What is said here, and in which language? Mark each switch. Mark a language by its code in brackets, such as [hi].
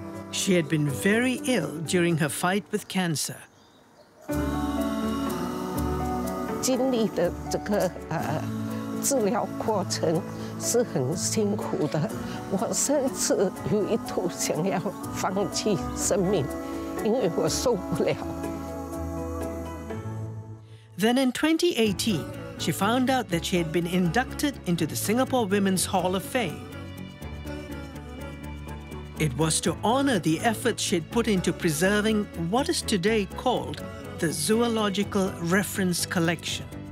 [en] She had been very ill during her fight with cancer. [zh] 经历的这个治疗过程是很辛苦的，我甚至有一度想要放弃生命，因为我受不了。 [en] Then in 2018, she found out that she had been inducted into the Singapore Women's Hall of Fame. It was to honour the efforts she'd put into preserving what is today called the Zoological Reference Collection.